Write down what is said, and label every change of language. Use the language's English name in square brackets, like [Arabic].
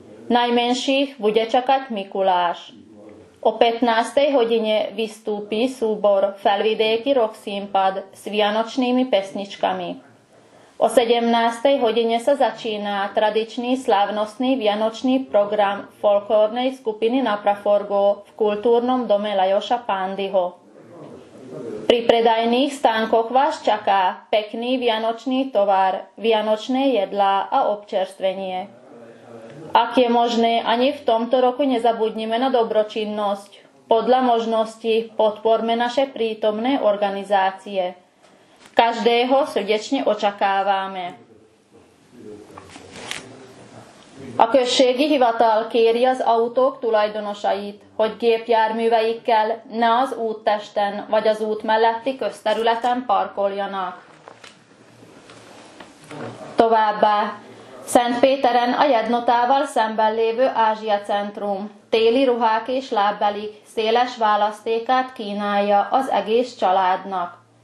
[Slovak] Najmenších bude čakať Mikuláš. O 15. hodine vystúpi súbor Felvidéky Rock Simpad s vianočnými pesničkami. O 17. hodine sa začína tradičný slávnostný vianočný program folklórnej skupiny na Praforgu v kultúrnom dome Lajoša Pándyho. Pri predajných stánkoch vás čaká pekný vianočný tovar, vianočné jedlá a občerstvenie. Ak je možné, ani v tomto roku nezabudnime na dobročinnosť. Podľa možnosti podporme naše prítomné organizácie. Každého srdečne očakávame. [Hungarian] A községi hivatal kéri az autók tulajdonosait, hogy gépjárműveikkel ne az úttesten vagy az út melletti közterületen parkoljanak. Továbbá. Szentpéteren a Jednotával szemben lévő Ázsia Centrum téli ruhák és lábbelik széles választékát kínálja az egész családnak.